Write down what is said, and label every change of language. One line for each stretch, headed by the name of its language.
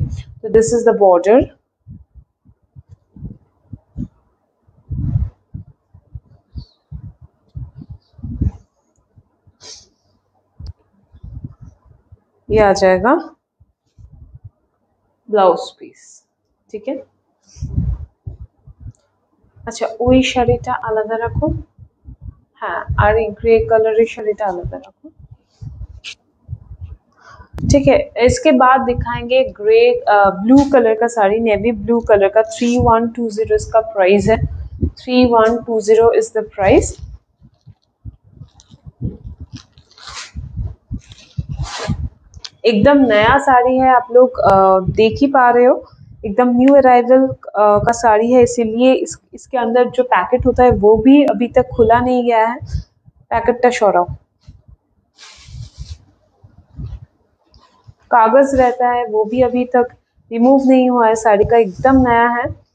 Hindi: तो
English: this is the border,
Hindi: ये आ जाएगा ब्लाउज पीस, ठीक है।
Bangla: अच्छा ওই শাড়িটা আলাদা রাখো, হ্যাঁ আর এই গ্রে কালারের শাড়িটা আলাদা রাখো,
Hindi: ঠিক है। इसके बाद दिखाएंगे ग्रे ब्लू कलर का साड़ी, नेवी ब्लू कलर का, 3120 इसका प्राइस है, 3120
English: Is the price.
Hindi: एकदम नया साड़ी है, आप लोग देख ही पा रहे हो, एकदम न्यू अराइवल का साड़ी है, इसीलिए इसके अंदर जो पैकेट होता है वो भी अभी तक खुला नहीं गया है, पैकेट टच हो रहा, कागज रहता है वो भी अभी तक रिमूव नहीं हुआ है, साड़ी का एकदम नया है।